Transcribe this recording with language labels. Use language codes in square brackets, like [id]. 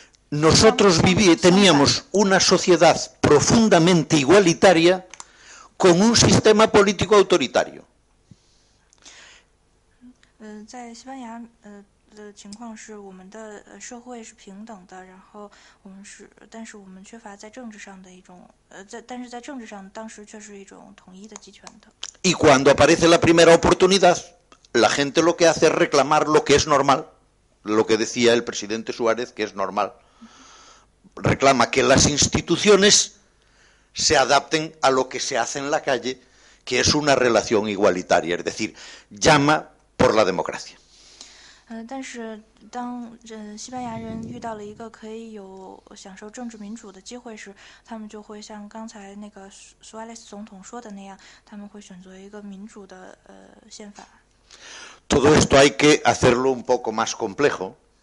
[es] Nosotros teníamos una sociedad profundamente igualitaria con un sistema político autoritario. [zh] 在西班牙的情况是我们的社会是平等的，然后我们是，但是我们缺乏在政治上的一种，但是在政治上当时却是一种统一的集权的。 [es] Y cuando aparece la primera oportunidad, la gente lo que hace es reclamar lo que es normal, lo que decía el presidente Suárez, que es normal. Reclama que las instituciones se adapten a lo que se hace en la calle, que es una relación igualitaria, es decir, llama por la democracia. [zh] 但是当西班牙人遇到了一个可以有享受政治民主的机会时，他们就会像刚才那个苏埃雷斯总统说的那样，他们会选择一个民主的宪法。 [es] Todo esto hay que hacerlo un poco más complejo.